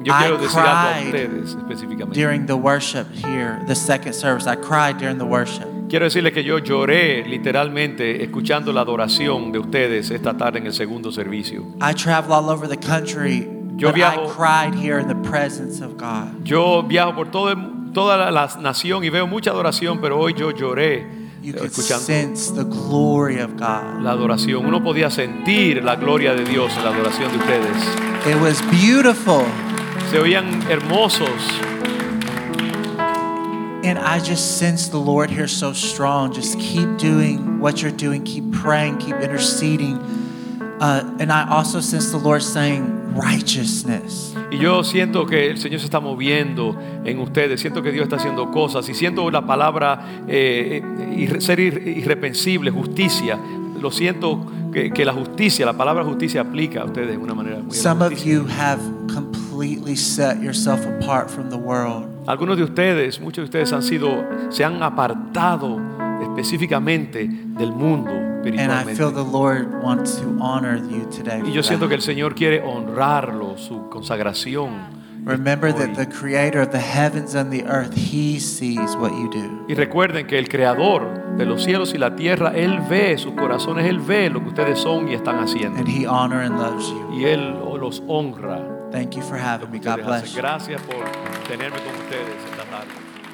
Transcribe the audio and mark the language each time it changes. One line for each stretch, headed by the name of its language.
Spanish: Yo quiero decir algo a ustedes específicamente.
English: During the worship here, the second service, I cried during the worship.
Spanish: Quiero decirles que yo lloré literalmente escuchando la adoración de ustedes esta tarde en el segundo servicio.
English: I travel all over the country. I cried here in the presence of God.
Spanish: Yo viajo por toda la nación y veo mucha adoración, pero hoy yo lloré escuchando.
English: You could sense the glory of God.
Spanish: La adoración. Uno podía sentir la gloria de Dios en la adoración de ustedes.
English: It was beautiful.
Spanish: Se oían hermosos.
English: And I just sense the Lord here so strong. Just keep doing what you're doing. Keep praying. Keep interceding. And I also sense the Lord saying. Righteousness.
Spanish: Y yo siento que el Señor se está moviendo en ustedes. Siento que Dios está haciendo cosas. Y siento la palabra ser irrepensible, justicia. Lo siento que la justicia, la palabra justicia aplica a ustedes de una manera muy
English: Some of you have completely set yourself apart from the world.
Spanish: Algunos de ustedes, muchos de ustedes se han apartado específicamente del mundo.
English: And I feel the Lord wants to honor you today.
Spanish: Y yo siento que el Señor quiere honrarlo, su consagración.
English: Remember that the Creator of the heavens and the earth, He sees what you do.
Spanish: Y recuerden que el Creador de los cielos y la tierra, Él ve sus corazones, Él ve lo que ustedes son y están haciendo.
English: And He honor and loves you.
Spanish: Y Él los honra.
English: Thank you for having me. God bless.
Spanish: Gracias por tenerme con ustedes esta tarde.